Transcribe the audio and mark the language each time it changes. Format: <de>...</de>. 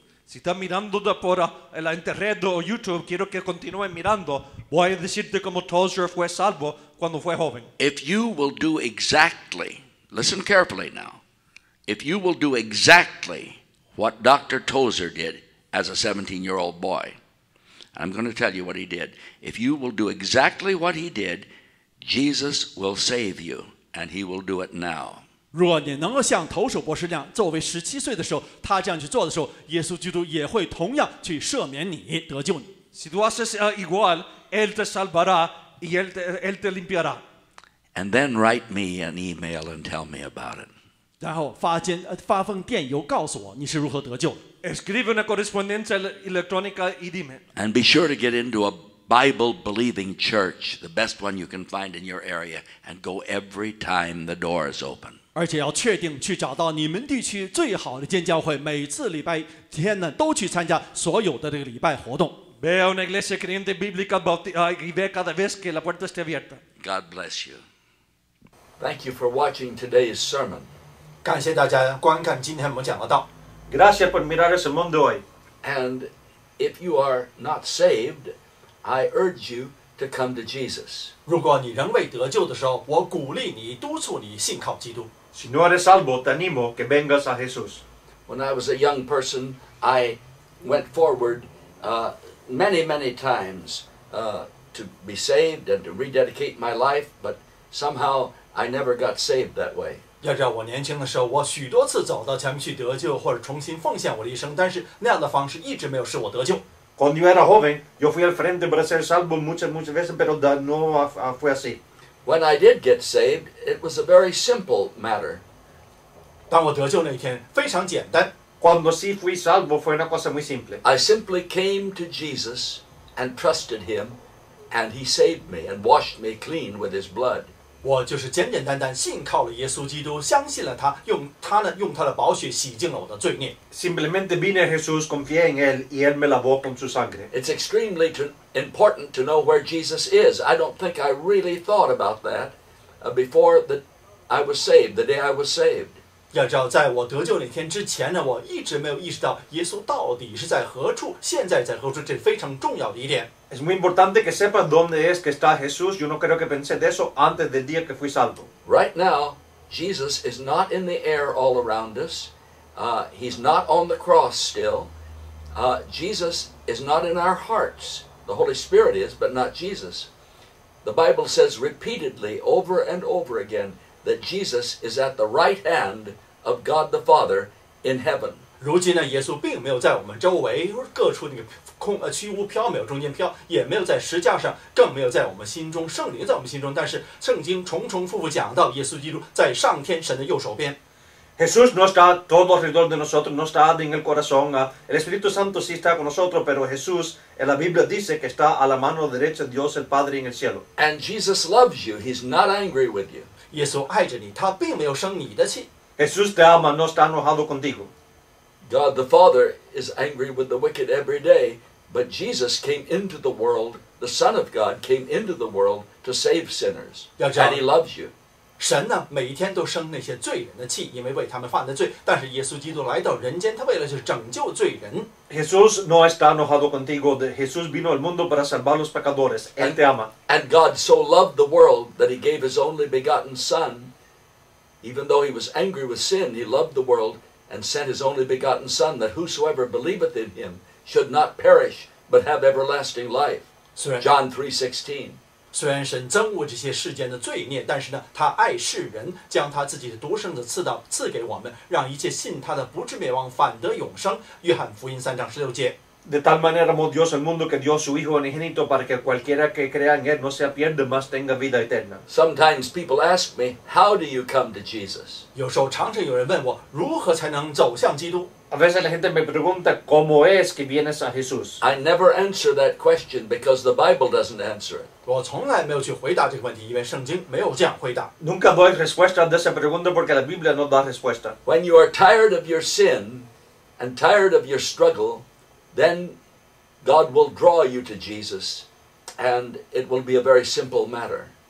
<es>Si estás mirando por la internet o YouTube, quiero que continúes mirando. Voy a decirte cómo Tozer fue salvo cuando fue joven.</es> <en>If you will do exactly, listen carefully now. If you will do exactly what Dr. Tozer did as a 17-year-old boy. I'm going to tell you what he did. If you will do exactly what he did, Jesus will save you, and he will do it now.</en> <zh>若你能够像投手博士那样，作为十七岁的时候，他这样去做的时候，耶稣基督也会同样去赦免你，得救你。</zh> <es>Si tú haces igual, él te salvará y él te limpiará.</es> <en>And then write me an email and tell me about it.</en> <zh>然后发封电邮告诉我你是如何得救的。</zh> <es>Escribe una correspondencia electrónica y dime.</es> <en>And be sure to get into a Bible-believing church, the best one you can find in your area, and go every time the door is open.</en> <zh>而且要确定去找到你们地区最好的尖教会，每次礼拜天呢都去参加所有的这个礼拜活动。</zh> <es>Ve a una iglesia creyente bíblica y ve cada vez que la puerta esté abierta.</es> <en>God bless you. Thank you for watching today's sermon.</en> <zh>感谢大家观看今天我们讲的道。</zh> <es>Gracias por mirar ese mundo hoy.</es> <en>And if you are not saved, I urge you to come to Jesus.</en> <zh>如果你仍未得救的时候，我鼓励你，督促你信靠基督。</zh> <es>Si no eres salvo, te animo que vengas a Jesús.</es> <en>When I was a young person, I went forward many, many times to be saved and to rededicate my life, but somehow I never got saved that way.</en> <zh>要知道我年轻的时候，我许多次走到前面去得救或者重新奉献我的一生，但是那样的方式一直没有使我得救。</zh> <es>Cuando era joven, yo fui al frente para ser salvo muchas veces, pero no fue así.</es> <en>When I did get saved, it was a very simple matter.</en> <zh>当我得救那天，非常简单。</zh> <es>Cuando sí fui salvo, fue una cosa muy simple.</es> <en>I simply came to Jesus and trusted him, and he saved me and washed me clean with his blood.</en> <zh>我就是简简单单信靠了耶稣基督，相信了他，用他的宝血洗净了我的罪孽。</zh> <es>Simplemente vine a Jesús, confié en él y él me lavó con su sangre.</es> <en>It's extremely important to know where Jesus is. I don't think I really thought about that before that I was saved. The day I was saved.</en> <zh>要知道，在我得救那天之前呢，我一直没有意识到耶稣到底是在何处，现在在何处，这非常重要的一点。</zh> <es>Es muy importante que sepas dónde es que está Jesús. Yo no creo que pensé de eso antes del día que fui salvo.</es> <en>Right now, Jesus is not in the air all around us. He's not on the cross still. Jesus is not in our hearts. The Holy Spirit is, but not Jesus. The Bible says repeatedly, over and over again, that Jesus is at the right hand of God the Father in heaven.</en> <zh>如今呢，耶稣并没有在我们周围各处那个空虚无缥缈中间飘，也没有在十字架上，更没有在我们心中，圣灵在我们心中。但是圣经重重复复讲到，耶稣基督在上天神的右手边。</zh> <es>Jesús no está todo alrededor de nosotros, no está en el corazón. El Espíritu Santo sí está con nosotros, pero Jesús en la Biblia dice que está a la mano derecha de Dios el Padre en el cielo.</es> <en>And Jesus loves you. He's not angry with you.</en> <zh>耶稣爱着你，他并没有生你的气。</zh> <es>Jesús te ama, no está enojado contigo.</es> <en>God the Father is angry with the wicked every day, but Jesus came into the world, the Son of God came into the world to save sinners. And he loves you.</en> <zh>神呢，每一天都生那些罪人的气，因为为他们犯的罪。但是耶稣基督来到人间，他为了是拯救罪人。</zh> <es>Jesús no está enojado contigo. Jesús vino al mundo para salvar los pecadores. Él te ama.</es> <en>And God so loved the world that he gave his only begotten Son. Even though he was angry with sin, he loved the world and sent his only begotten Son that whosoever believeth in him should not perish but have everlasting life. John 3:16.</en> <zh>虽然神憎恶这些世间的罪孽，但是呢，他爱世人，将他自己的独生子赐到赐给我们，让一切信他的不至灭亡，反得永生。约翰福音3:16。</zh> <es>De tal manera amó Dios el mundo que dio su hijo unigénito para que cualquiera que crea en él no se pierda, mas tenga vida eterna.</es> <en>Sometimes people ask me, how do you come to Jesus?</en> <zh>有时候常常有人问我，如何才能走向基督？</zh> <es>A veces la gente me pregunta, ¿cómo es que vienes a Jesús?</es> <en>I never answer that question because the Bible doesn't answer it.</en> <zh>我从来没有去回答这个问题，因为圣经没有这样回答。</zh> <es>Nunca doy respuesta a esa pregunta porque la Biblia no da respuesta.</es> <en>When you are tired of your sin and tired of your struggle, then God will draw you to Jesus and it will be a very simple matter.</en>